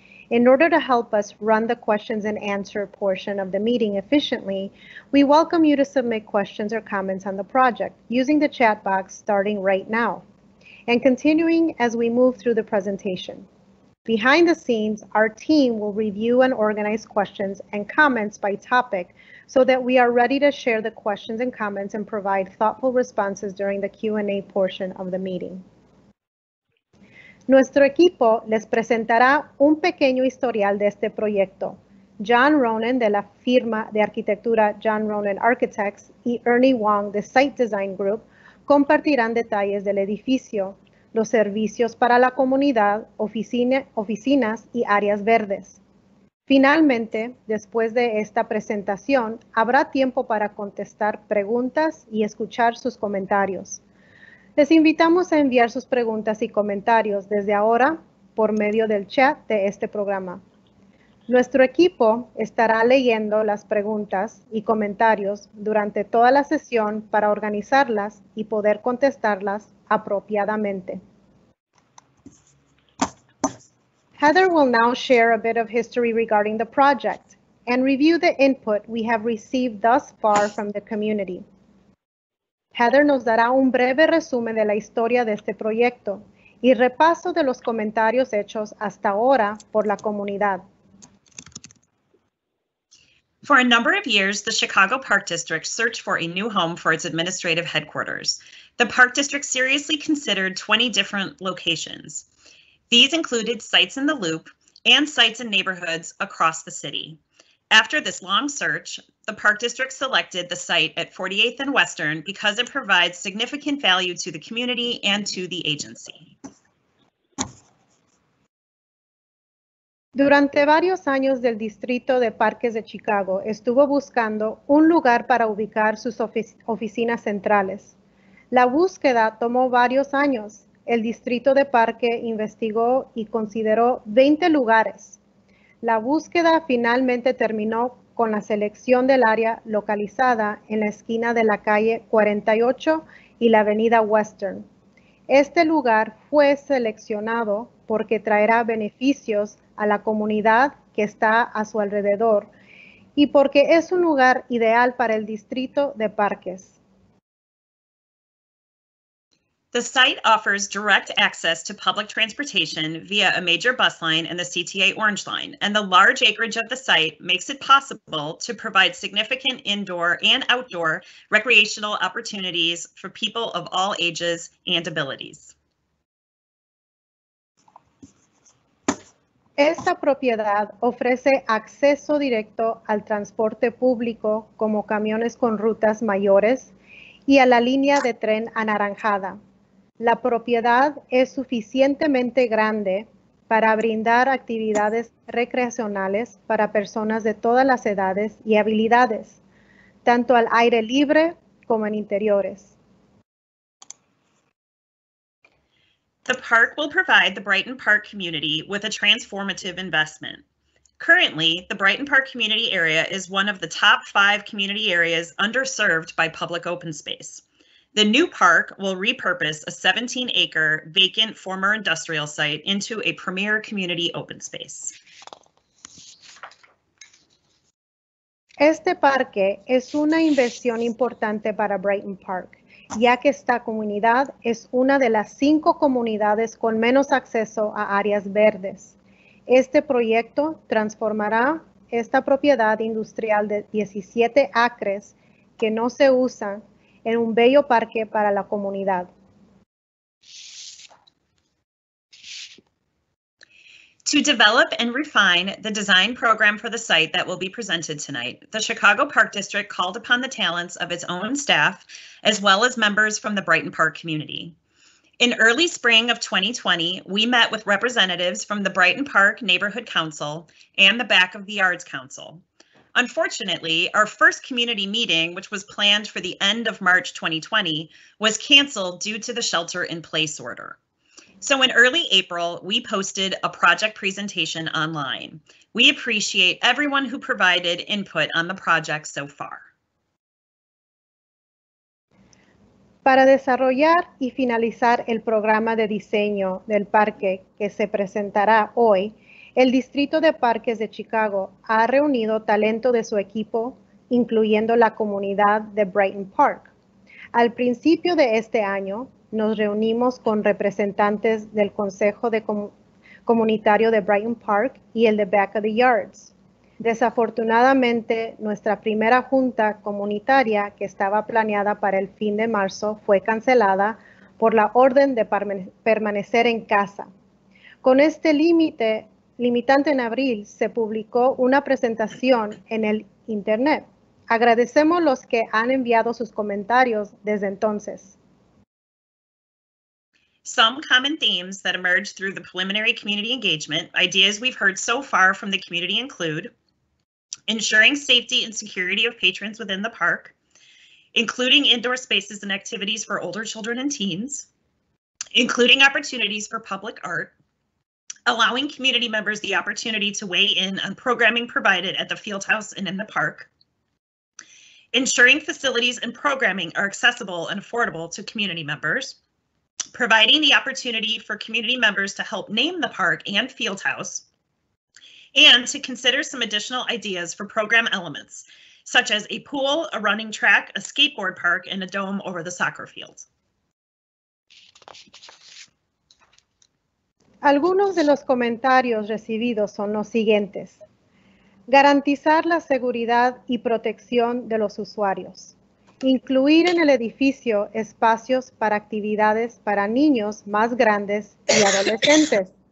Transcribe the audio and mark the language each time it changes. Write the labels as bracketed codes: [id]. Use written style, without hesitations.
[en] In order to help us run the questions and answer portion of the meeting efficiently, we welcome you to submit questions or comments on the project using the chat box starting right now, and continuing as we move through the presentation. Behind the scenes, our team will review and organize questions and comments by topic so that we are ready to share the questions and comments and provide thoughtful responses during the Q&A portion of the meeting. [es] Nuestro equipo les presentará un pequeño historial de este proyecto. John Ronan, de la firma de arquitectura John Ronan Architects, y Ernie Wong, de Site Design Group, compartirán detalles del edificio, los servicios para la comunidad, oficinas y áreas verdes. Finalmente, después de esta presentación, habrá tiempo para contestar preguntas y escuchar sus comentarios. Les invitamos a enviar sus preguntas y comentarios desde ahora por medio del chat de este programa. Nuestro equipo estará leyendo las preguntas y comentarios durante toda la sesión para organizarlas y poder contestarlas apropiadamente. [en] Heather will now share a bit of history regarding the project and review the input we have received thus far from the community. [es] Heather nos dará un breve resumen de la historia de este proyecto y repaso de los comentarios hechos hasta ahora por la comunidad. [en] For a number of years, the Chicago Park District searched for a new home for its administrative headquarters. The Park District seriously considered 20 different locations. These included sites in the Loop and sites in neighborhoods across the city. After this long search, the Park District selected the site at 48th and Western because it provides significant value to the community and to the agency. [es] Durante varios años del Distrito de Parques de Chicago, estuvo buscando un lugar para ubicar sus oficinas centrales. La búsqueda tomó varios años. El Distrito de Parque investigó y consideró 20 lugares. La búsqueda finalmente terminó con la selección del área localizada en la esquina de la calle 48 y la avenida Western. Este lugar fue seleccionado porque traerá beneficios a la comunidad que está a su alrededor y porque es un lugar ideal para el distrito de parques. [en] The site offers direct access to public transportation via a major bus line and the CTA Orange Line, and the large acreage of the site makes it possible to provide significant indoor and outdoor recreational opportunities for people of all ages and abilities. [es] Esta propiedad ofrece acceso directo al transporte público como camiones con rutas mayores y a la línea de tren anaranjada. La propiedad es suficientemente grande para brindar actividades recreacionales para personas de todas las edades y habilidades, tanto al aire libre como en interiores. [en] The park will provide the Brighton Park community with a transformative investment. Currently, the Brighton Park community area is one of the top five community areas underserved by public open space. The new park will repurpose a 17-acre vacant former industrial site into a premier community open space. [es] Este parque es una inversión importante para Brighton Park. ya que esta comunidad es una de las 5 comunidades con menos acceso a áreas verdes. Este proyecto transformará esta propiedad industrial de 17 acres que no se usan en un bello parque para la comunidad. [en] To develop and refine the design program for the site that will be presented tonight, the Chicago Park District called upon the talents of its own staff, as well as members from the Brighton Park community. In early spring of 2020, we met with representatives from the Brighton Park Neighborhood Council and the Back of the Yards Council. Unfortunately, our first community meeting, which was planned for the end of March 2020, was canceled due to the shelter-in-place order. So in early April, we posted a project presentation online. We appreciate everyone who provided input on the project so far. [es] Para desarrollar y finalizar el programa de diseño del parque que se presentará hoy, el Distrito de Parques de Chicago ha reunido talento de su equipo, incluyendo la comunidad de Brighton Park. Al principio de este año, nos reunimos con representantes del Consejo Comunitario de Brighton Park y el de Back of the Yards. Desafortunadamente, nuestra primera junta comunitaria que estaba planeada para el fin de marzo fue cancelada por la orden de permanecer en casa. Con este limitante en abril, se publicó una presentación en el Internet. Agradecemos los que han enviado sus comentarios desde entonces. [en] Some common themes that emerged through the preliminary community engagement, ideas we've heard so far from the community include ensuring safety and security of patrons within the park, including indoor spaces and activities for older children and teens, including opportunities for public art, allowing community members the opportunity to weigh in on programming provided at the fieldhouse and in the park, ensuring facilities and programming are accessible and affordable to community members, providing the opportunity for community members to help name the park and field house, and to consider some additional ideas for program elements, such as a pool, a running track, a skateboard park, and a dome over the soccer field. [es] Algunos de los comentarios recibidos son los siguientes. Garantizar la seguridad y protección de los usuarios. Incluir en el edificio espacios para actividades para niños más grandes y adolescentes.